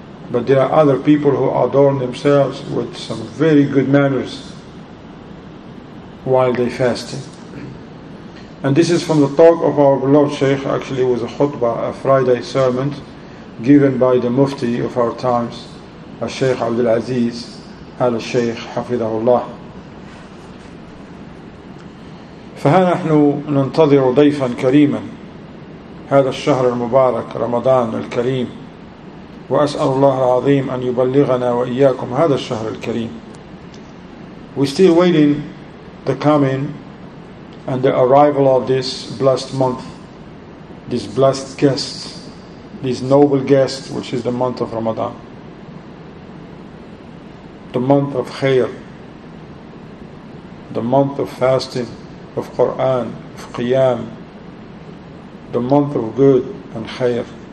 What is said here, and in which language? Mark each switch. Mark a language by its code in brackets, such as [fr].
[en] But there are other people who adorn themselves with some very good manners while they fasting. And this is from the talk of our beloved Shaykh. Actually, it was a khutbah, a Friday sermon, given by the Mufti of our times, a Shaykh Abdul Aziz, al-Shaykh Hafidahullah. [ar] فها نحن ننتظر ضيفا كريما هذا الشهر المبارك رمضان الكريم، وأسأل الله العظيم أن يبلغنا وإياكم هذا الشهر الكريم. [en] We're still waiting the coming and the arrival of this blessed month, this blessed guest, this noble guest, which is the month of Ramadan, the month of khair, the month of fasting, of Qur'an, of Qiyam, the month of good and khair.